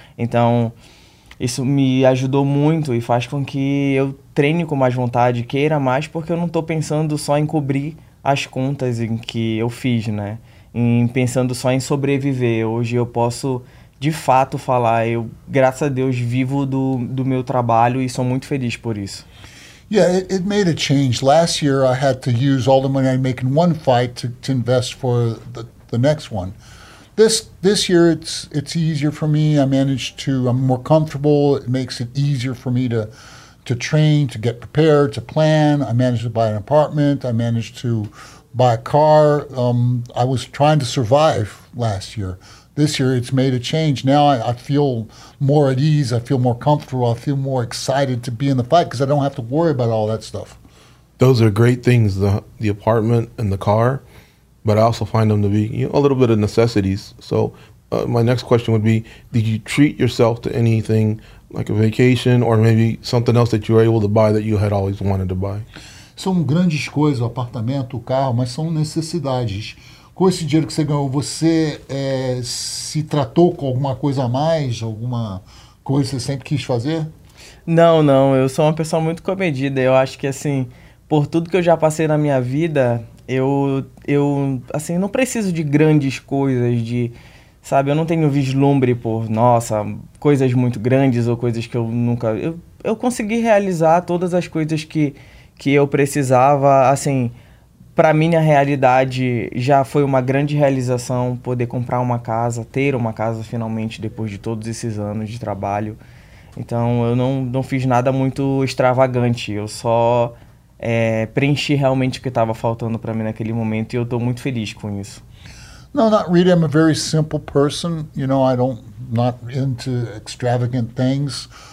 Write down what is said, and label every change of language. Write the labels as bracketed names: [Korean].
[Portuguese] Então, isso me ajudou muito e faz com que eu treine com mais vontade, queira mais, porque eu não estou pensando só em cobrir as contas em que eu fiz, né? Em pensando só em sobreviver. Hoje eu posso, de fato, falar, eu, graças a Deus, vivo do meu trabalho e sou muito feliz por isso. [English] Yeah, it made a change. Last year, I had to use all the money I make in one fight to invest for the next one. This year, it's easier for me. I'm more comfortable. It makes it easier for me to train, to get prepared, to plan. I managed to buy an apartment. I managed to buy a car. I was trying to survive last year. This year, it's made a change. Now I feel more at ease. I feel more comfortable. I feel more excited to be in the fight because I don't have to worry about all that stuff. Those are great things, the apartment and the car, but I also find them to be, you know, a little bit of necessities. So my next question would be, did you treat yourself to anything like a vacation or maybe something else that you were able to buy that you had always wanted to buy? [Portuguese] São grandes coisas, o apartamento, o carro, mas são necessidades. Com esse dinheiro que você ganhou, você se tratou com alguma coisa a mais? Alguma coisa que você sempre quis fazer? Não. Eu sou uma pessoa muito comedida. Eu acho que, assim, por tudo que eu já passei na minha vida, eu assim, não preciso de grandes coisas, de, sabe? Eu não tenho vislumbre por, nossa, coisas muito grandes ou coisas que eu nunca... Eu consegui realizar todas as coisas que eu precisava, assim... Para mim, a realidade já foi uma grande realização poder comprar uma casa, ter uma casa finalmente depois de todos esses anos de trabalho. Então, eu não fiz nada muito extravagante. Eu só preenchi realmente o que estava faltando para mim naquele momento e eu estou muito feliz com isso. [English] No, not really. I'm a very simple person. You know, I don't not into extravagant things.